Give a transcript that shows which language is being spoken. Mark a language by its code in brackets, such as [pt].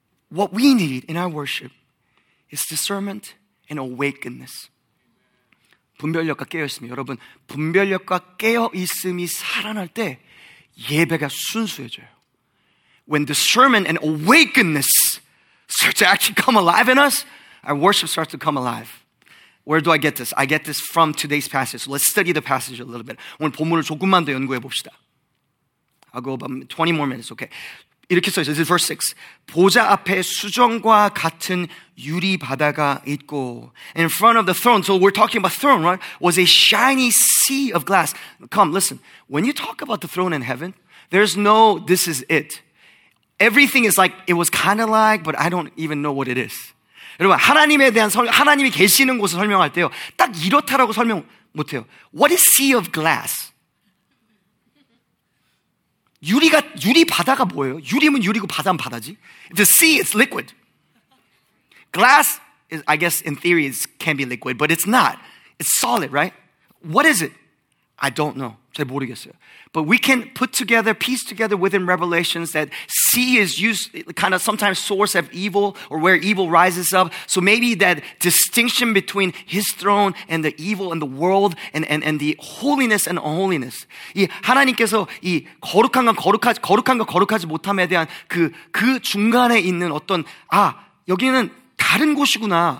[en] What we need in our worship is discernment and awakenedness. [ko] 분별력과 깨어있음이, 여러분, 분별력과 깨어있음이 살아날 때 예배가 순수해져요. [en] When discernment and awakenedness starts to actually come alive in us, our worship starts to come alive. Where do I get this? I get this from today's passage. So let's study the passage a little bit. [ko] 오늘 본문을 조금만 더 연구해 봅시다. [en] I'll go about 20 more minutes, okay? [ko] 이렇게 써 있어요. [en] This is verse 6. [ko] 보좌 앞에 수정과 같은 유리 바다가 있고, [en] in front of the throne, so we're talking about throne, right? Was a shiny sea of glass. Come, listen. When you talk about the throne in heaven, there's no, this is it. Everything is like, it was kind of like, but I don't even know what it is. [ko] 여러분, 하나님에 대한 하나님이 계시는 곳을 설명할 때요, 딱 이렇다라고 설명 못해요. [en] What is sea of glass? [ko] 유리가 유리 바다가 뭐예요? 유리면 유리고 바다면 바다지. [en] The sea is liquid. Glass is, I guess, in theory, it can be liquid, but it's not. It's solid, right? What is it? I don't know. [ko] 잘 모르겠어요. [en] But we can put together, piece together within Revelations that sea is used, kind of sometimes source of evil or where evil rises up. So maybe that distinction between his throne and the evil and the world and the holiness and unholiness. [ko] 이 하나님께서 이 거룩한 건 거룩하지, 거룩한 건 거룩하지 못함에 대한 그 중간에 있는 어떤, 아, 여기는 다른 곳이구나.